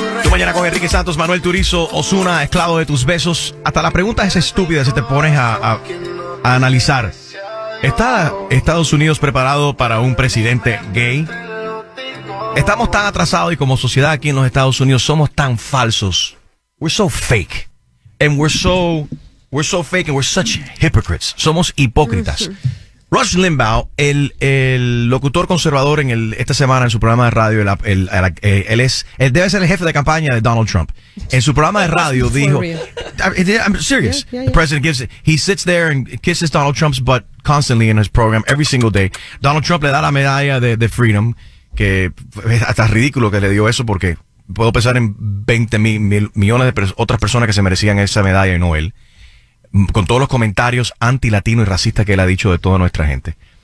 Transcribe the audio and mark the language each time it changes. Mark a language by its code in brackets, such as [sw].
[es] Mañana con Enrique Santos, Manuel Turizo, Ozuna, Esclavo de tus besos. Hasta la pregunta es estúpida si te pones a analizar. ¿Está Estados Unidos preparado para un presidente gay? Estamos tan atrasados y como sociedad aquí en los Estados Unidos somos tan falsos. [en] We're so fake. And we're so fake and we're such hypocrites. [es] Somos hipócritas. Rush Limbaugh, el locutor conservador en esta semana en su programa de radio, él debe ser el jefe de campaña de Donald Trump. [en] En su programa de radio dijo, I'm serious. Yeah. The president gives it. He sits there and kisses Donald Trump's butt constantly in his program every single day. [es] Donald Trump le da la medalla de freedom, que hasta es ridículo que le dio eso porque puedo pensar en 20 millones de otras personas que se merecían esa medalla y no él. Con todos los comentarios anti-latino y racista que él ha dicho de toda nuestra gente.